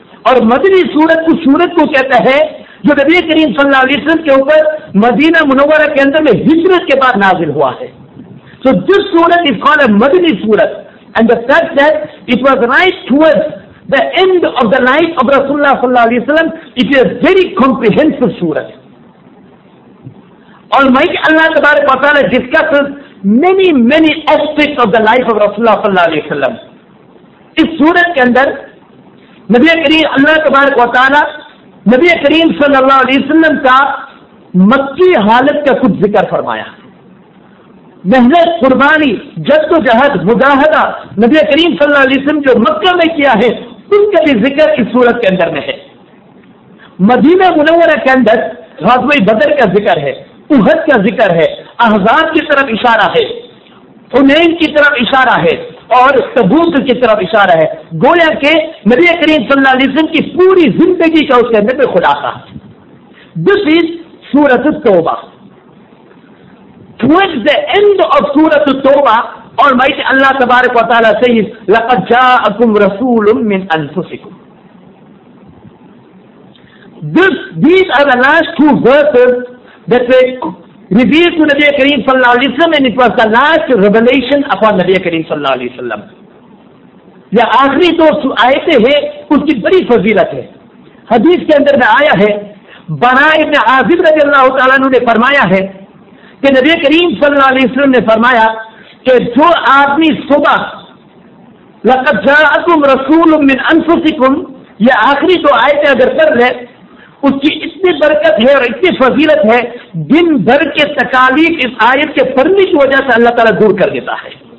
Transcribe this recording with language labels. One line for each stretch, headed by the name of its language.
Urdu: اور مدنی سورت کو سورت کو کہتا ہے جو نبی کریم صلی اللہ علیہ وسلم کے اوپر مدینہ منورہ کے اندر میں ہجرت کے بعد نازل ہوا ہے.
English: So this سورت is called a مدنی سورت. And the fact that it was right towards the end of the life of رسول اللہ صلی اللہ علیہ وسلم, it is a very comprehensive سورت. Almighty Allah تبارک و تعالی discusses many many aspects of the life of رسول اللہ صلی اللہ علیہ وسلم.
Urdu: اس سورت کے اندر نبی کریم اللہ تبارک و تعالی نبی کریم صلی اللہ علیہ وسلم کا مکی حالت کا کچھ ذکر فرمایا. محنت, قربانی, جد و جہد, مجاہدہ نبی کریم صلی اللہ علیہ وسلم جو مکہ میں کیا ہے ان کا بھی ذکر اس سورت کے اندر میں ہے. مدینہ منورہ کے اندر غزوہ بدر کا ذکر ہے, احد کا ذکر ہے, احزاب کی طرف اشارہ ہے, حنین کی طرف اشارہ ہے اور تبوک کی طرف اشارہ ہے. گویا کہ نبی کریم صلی اللہ علیہ وسلم کی پوری زندگی کا اس کے اندر میں خلاصہ.
English: This is سورت التوبہ. Towards the end of سورت التوبہ Almighty اللہ تبارک و تعالیٰ says
Arabic: لَقَدْ جَاءَكُمْ رَسُولٌ مِّنْ أَنفُسِكُمْ.
English: These are the last two verses that were revealed to Nabi Kareem sallallahu alayhi wa sallam and it was the last revelation upon Nabi Kareem sallallahu alayhi wa sallam.
Urdu: یہ آخری دو آیتیں ہیں, اس کی بڑی فضیلت ہے. حدیث کے اندر میں آیا ہے براء بن عازب رضی اللہ تعالیٰ عنہ نے فرمایا ہے کہ نبی کریم صلی اللہ علیہ وسلم نے فرمایا کہ جو آدمی صبح
Arabic: لَقَدْ جَاءَكُمْ رَسُولٌ مِّنْ أَنفُسِكُمْ
Urdu: یہ آخری دو آیتیں اگر پڑھ لے اس کی اتنی برکت ہے اور اتنی فضیلت ہے دن بھر کے تکالیف اس آیت کے پڑھنے کی وجہ سے اللہ تعالیٰ دور کر دیتا ہے.